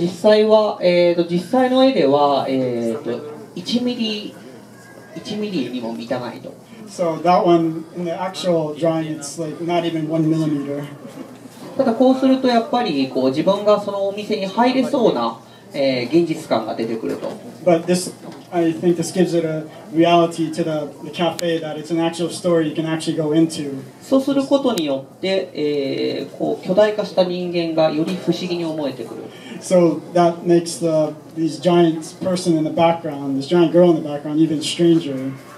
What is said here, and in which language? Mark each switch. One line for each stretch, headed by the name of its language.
Japanese: 実際は実際の絵では1ミリにも満たないと。
English: So that one in the actual drawing, it's like not even one millimeter.
Japanese: ただこうするとやっぱりこう自分がそのお店に入れそうな、現実感が出てくると。
English: But this, I think this gives it a reality to the cafe that it's an actual story you can actually go into.
Japanese: そうすることによって、こう巨大化した人間がより不思議に思えてくる。
English: So that makes the these giant person in the background, this giant girl in the background, even stranger.